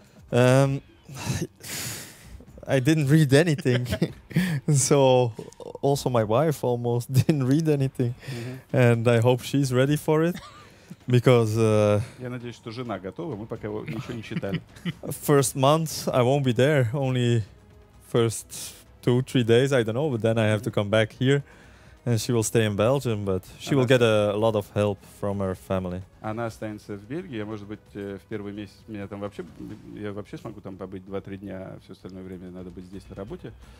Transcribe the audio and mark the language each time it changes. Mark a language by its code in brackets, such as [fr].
[ru] Да. [en] I didn't read anything. So also my wife almost didn't read anything. Mm-hmm. And I hope she's ready for it. Because [ru] я надеюсь, что жена готова, мы пока ничего не читали. [en] First month I won't be there, only first 2-3 days, I don't know, but then I have to come back here and she will stay in Belgium, but she will get a lot of help from her family. [ru] Она останется в Бельгии, может быть, в первый месяц меня там вообще, я вообще смогу там побыть 2-3 дня, все остальное время надо быть здесь на работе.